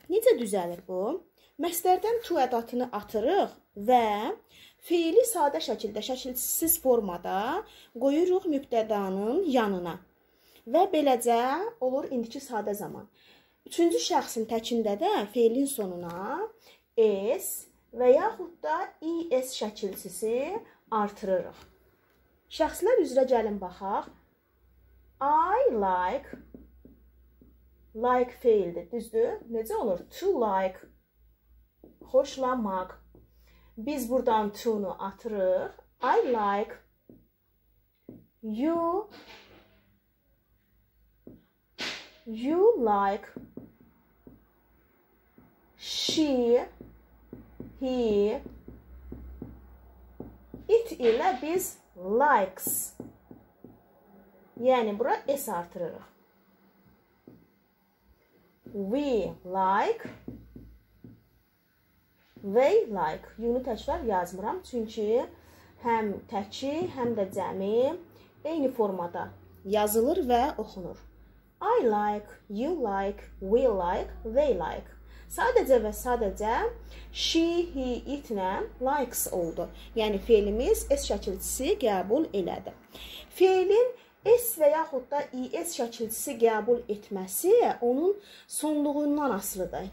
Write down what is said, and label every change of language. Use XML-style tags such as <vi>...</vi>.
<az>Necə düzəlir bu? Məsdərdən to ədatını atırıq və feili sadə şəkildə, şəkilsiz formada qoyuruq mübtədanın yanına. Və beləcə olur indiki sadə zaman. Üçüncü şəxsin təkində də feilin sonuna s və yaxud da is şəkilsisi artırırıq. Şəxslər üzrə gəlin baxaq.</az> <en>I like, like</en> <az>feildir, düzdür. Necə olur? To like, xoşlamaq. Biz buradan to-nu atırıq.</az> <en>I like, you like, she, he, it</en> <az>ilə biz likes. Yəni, bura s artırırıq.</az> <en>We like, they like.</en> <az>Yunu təkrar yazmıram, çünki həm təki, həm də cəmi eyni formada yazılır və oxunur.</az> <en>I like, you like, we like, they like.</en> <az>Sadəcə və sadəcə</az> <en>she, he, it</en> <az>ilə likes oldu. Yəni, feilimiz s şəkilçisi qəbul elədi. Feilin s və yaxud da is şəkilçisi qəbul etməsi onun sonluğundan asılıdır.</az>